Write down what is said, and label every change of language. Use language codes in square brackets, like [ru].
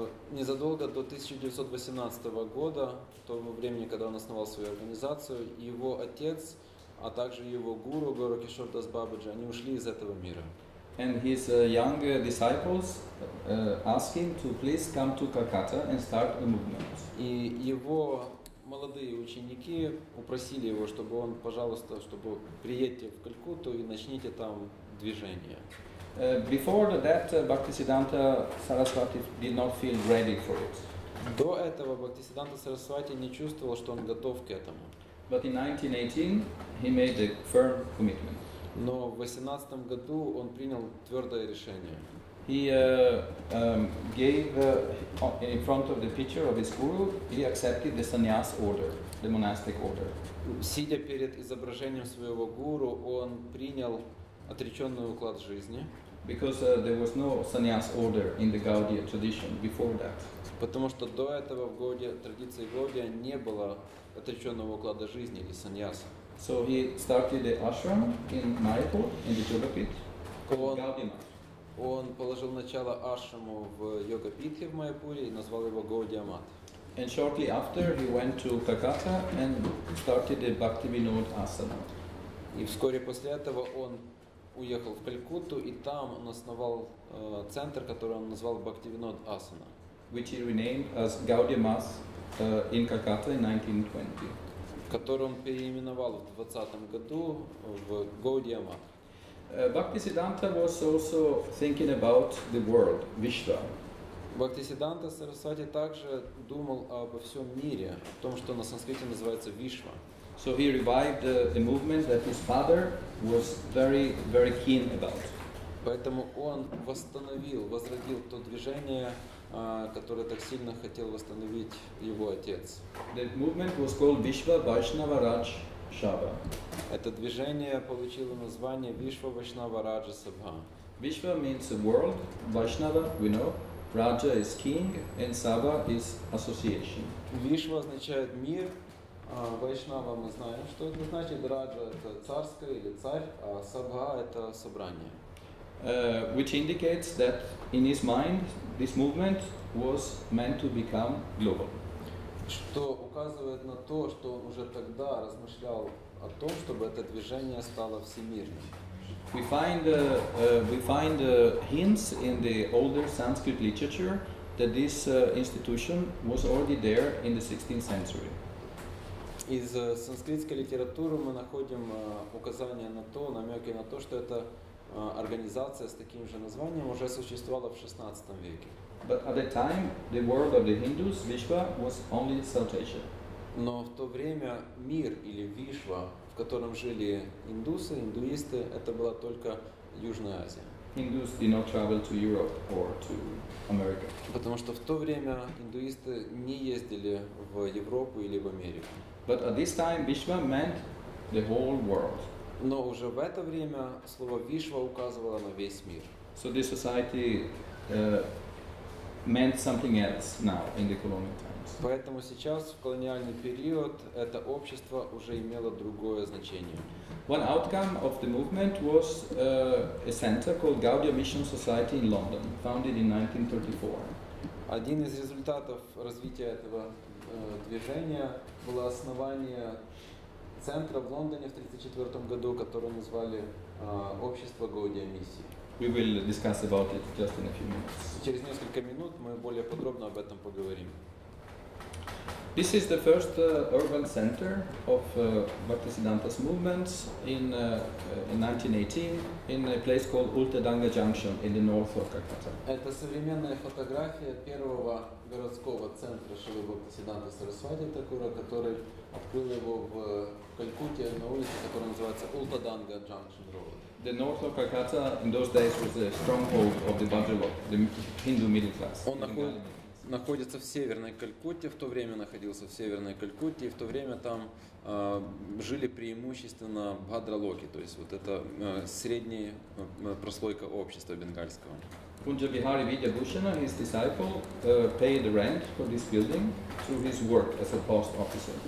[ru] Незадолго до 1918 года, в то время, когда он основал свою организацию, его отец, а также его гуру Gorakishore Das Babaji, они ушли из этого мира. [en] And his young disciples asked him to please come to Calcutta and start a movement. [ru] И его молодые ученики упросили его, чтобы он, пожалуйста, чтобы приедьте в Калькутту и начните там движение. [en] Before that, Bhaktisiddhanta Saraswati did not feel ready for it. [ru] До этого Бхактисиддханта Сарасвати не чувствовал, что он готов к этому. [en] But in 1918 he made a firm commitment. [ru] Но в 18 году он принял твердое решение. [en] He gave in front of the picture of his guru, he accepted the sannyas order, the monastic order. [ru] Сидя перед изображением своего гуру, он принял отреченный уклад жизни. [en] Because there was no sannyas order in the Gaudiya tradition before that. [ru] Потому что до этого в Гауди, традиции Гаудия не было отреченного уклада жизни или саньяса. [en] So he started the ashram in Mayapur, in the Yogapith, called Gaudiya Math. [ru] Он положил начало ашраму в Йогапитхе в Майяпуре и назвал его Гаудия Мат. [en] And shortly after he went to Calcutta and started the Bhaktivinoda Asana. [ru] И вскоре после этого он уехал в Калькутту и там он основал центр, который он назвал Bhaktivinoda Asana. [en] Which he renamed as Gaudiya Math in Calcutta in 1920. [ru] Который он переименовал в 20 году в Gaudiya Math. [en] Bhaktisiddhanta was also thinking about the world, Vishwa. [ru] Bhaktisiddhanta Sarasvati также думал обо всем мире, о том, что на санскрите называется Вишва. [en] So he revived the movement that his father was very, very keen about. [ru] Поэтому он восстановил, возродил то движение, которое так сильно хотел восстановить его отец. [en] The movement was called Vishwa Vaishnava Raj Sabha. [ru] Это движение получило название Вишва Вайшнава Раджа Сабха. [en] Вишва means the world, Вайшнава, we know, Раджа is king, and Сабха is association. [ru] Вишва означает мир, Вайшнава мы знаем, что это значит, Раджа это царское или царь, а Сабха это собрание. [en] Which indicates that in his mind this movement was meant to become global. [ru] Что указывает на то, что он уже тогда размышлял о том, чтобы это движение стало всемирным. [en] We find hints in the older Sanskrit literature that this institution was already there in the 16th century. [ru] Из санскритской литературы мы находим указания на то, намеки на то, что эта организация с таким же названием уже существовала в 16 веке. [en] But at the time, the world of the Hindus, Vishwa, was only South Asia. [ru] Но в то время мир или Вишва, в котором жили индусы, индуисты, это была только Южная Азия. [en] Hindus did not travel to Europe or to America. [ru] Потому что в то время индуисты не ездили в Европу или в Америку. [en] But at this time, Vishwa meant the whole world. [ru] Но уже в это время слово Вишва указывало на весь мир. [en] So this society meant something else now in the colonial time. [ru] Поэтому сейчас, в колониальный период, это общество уже имело другое значение. [en] One outcome of the movement was a center called Gaudiya Mission Society in London, founded in 1934. [ru] Один из результатов развития этого движения было основание центра в Лондоне в 1934 году, которое назвали Общество Гаудия Миссии. [en] We will discuss about it just in a few minutes. [ru] Через несколько минут мы более подробно об этом поговорим. [en] This is the first urban center of Bhaktisiddhanta's movements in 1918 in a place called Ultadanga Junction in the north of Calcutta. [ru] Это современная фотография первого городского центра Шрилы Бхактисиддханта Сарасвати Такура, который открыл его в Калькутте на улице, которая называется Ultadanga Junction Road. [en] The north of Calcutta in those days was the stronghold of the Bhadravak, the Hindu middle class. [ru] Находится в северной Калькутте, в то время находился в северной Калькутте, и в то время там жили преимущественно бхадралоки, то есть вот это средняя прослойка общества бенгальского. [en] Пунджабихари Видьябхушана, his disciple, paid rent for this building through his work as a post officer.